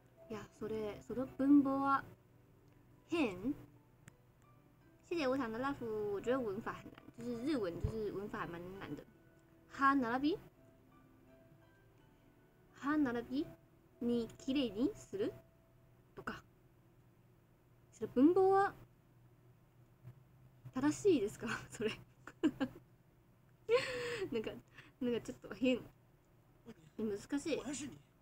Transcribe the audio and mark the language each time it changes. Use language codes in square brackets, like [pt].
[ja] いや、それ、その文法は変。 [zh] 谢谢无常的 love。我觉得文法很难，就是日文就是文法蛮难的。 [ja] 歯並び、歯並びに綺麗にする、とか、それ文法は正しいですか？それなんかちょっと変、難しい。